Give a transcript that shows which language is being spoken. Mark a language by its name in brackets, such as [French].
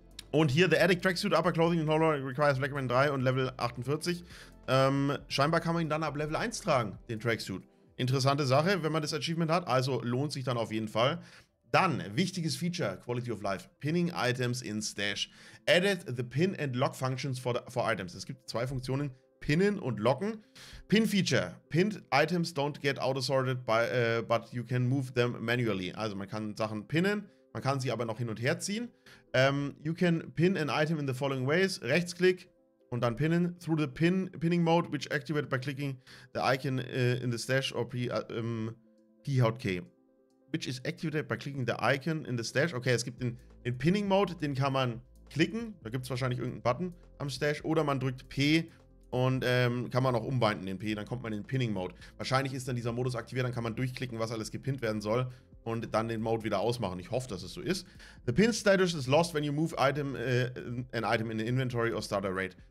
[German] Und hier, [English] the Addict Tracksuit Upper Clothing and Holo requires Recommend 3 und Level 48. [German] Scheinbar kann man ihn dann ab Level 1 tragen, den Tracksuit. Interessante Sache, wenn man das Achievement hat, also lohnt sich dann auf jeden Fall. Dann, wichtiges Feature, Quality of Life, Pinning Items in Stash. [English] Added the Pin and Lock Functions for Items. [German] Es gibt zwei Funktionen, Pinnen und Locken. [English] Pin Feature, Pinned Items don't get auto-sorted, but you can move them manually. [German] Also man kann Sachen pinnen, man kann sie aber noch hin und her ziehen. [English] You can pin an item in the following ways, Rechtsklick. [German] Und dann pinnen, [English] through the pinning mode, which activated by clicking the icon in the stash or PHK. Which is activated by clicking the icon in the stash. [German] Okay, es gibt den pinning mode, den kann man klicken. Da gibt es wahrscheinlich irgendeinen Button am Stash. Oder man drückt P und kann man auch umbinden den P, dann kommt man in den pinning mode. Wahrscheinlich ist dann dieser Modus aktiviert, dann kann man durchklicken, was alles gepinnt werden soll. Und dann den Mode wieder ausmachen. Ich hoffe, dass es so ist. [English] The pin status is lost when you move item, an item in the inventory or start a raid.